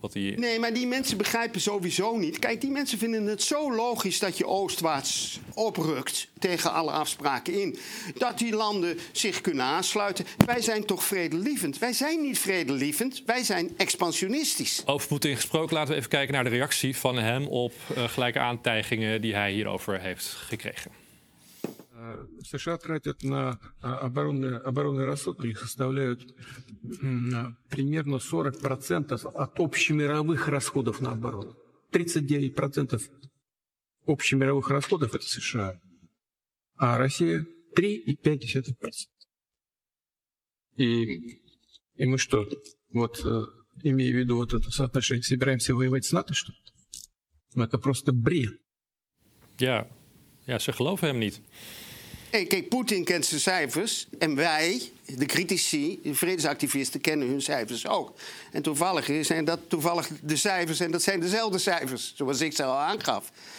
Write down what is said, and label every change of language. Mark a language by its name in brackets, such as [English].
[Dutch] Nee, maar die mensen begrijpen sowieso niet. Kijk, die mensen vinden het zo logisch dat je oostwaarts oprukt tegen alle afspraken in. Dat die landen zich kunnen aansluiten. Wij zijn toch vredelievend? Wij zijn niet vredelievend, wij zijn expansionistisch. Over Poetin gesproken, laten we even kijken naar de reactie van hem op gelijke aantijgingen die hij hierover heeft gekregen. [Russian] США тратят на оборонные расходы, их составляют примерно 40% от общемировых расходов на оборону. 39% общемировых расходов – это США, а Россия – 3,5%. И мы что, вот имея в виду вот это соотношение, собираемся воевать с НАТО, что ли? Это просто бред. [Dutch] Я же geloof hem niet. Hey, kijk, Poetin kent zijn cijfers en wij, de critici, de vredesactivisten, kennen hun cijfers ook. En toevallig zijn dat toevallig de cijfers en dat zijn dezelfde cijfers, zoals ik ze al aangaf.